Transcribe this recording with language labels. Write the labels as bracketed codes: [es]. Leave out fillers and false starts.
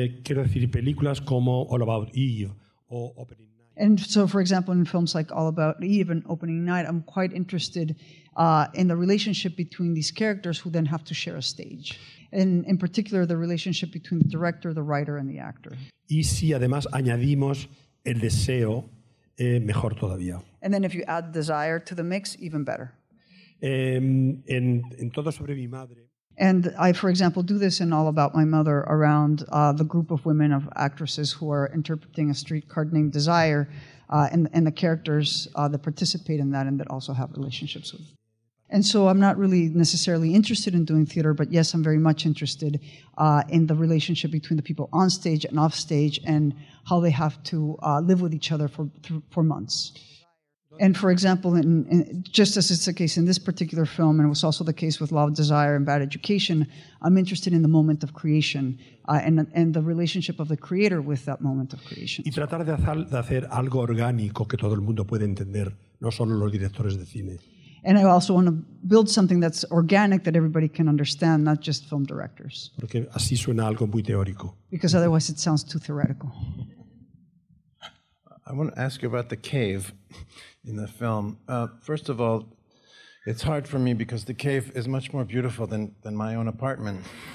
[es] Quiero decir, películas como All About Eve or Opening Night. [en] And so, for example, in films like All About Eve and Opening Night, I'm quite interested in the relationship between these characters who then have to share a stage. And in particular, the relationship between the director, the writer, and the actor. [es] Y si además añadimos el deseo, mejor todavía. [en] And then if you add desire to the mix, even better. [es] En todo sobre mi madre. [en] And I, for example, do this in All About My Mother around the group of women of actresses who are interpreting a streetcar named Desire and the characters that participate in that and that also have relationships with. And so I'm not really necessarily interested in doing theater, but yes, I'm very much interested in the relationship between the people on stage and off stage and how they have to live with each other for months. And for example, in just as it's the case in this particular film, and it was also the case with Love, Desire, and Bad Education, I'm interested in the moment of creation and the relationship of the creator with that moment of creation. [es] Y tratar de hacer algo orgánico que todo el mundo puede entender, no solo los directores de cine. [en] And I also want to build something that's organic that everybody can understand, not just film directors. [es] Porque así suena algo muy teórico. [en] Because otherwise it sounds too theoretical. I want to ask you about the cave in the film. First of all, it's hard for me because the cave is much more beautiful than my own apartment.